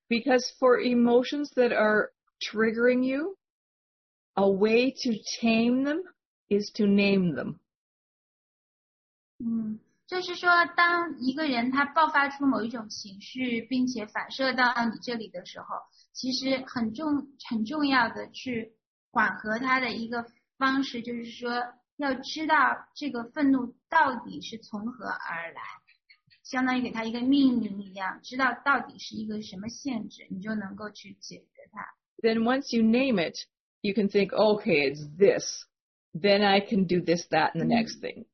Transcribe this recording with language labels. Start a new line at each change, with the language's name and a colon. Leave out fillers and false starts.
English: Because for emotions that are triggering you, a way to tame them is to name them.
Chinese: 就是说，当一个人他爆发出某一种情绪，并且反射到你这里的时候，其实很重要的去缓和他的一个方式，就是说要知道这个愤怒到底是从何而来。相当于给他一个命名一样，知道到底是一个什么限制，你就能够去解决它。Then
English: once you name it, you can think, okay, it's this. Then I can do this, that, and the next thing.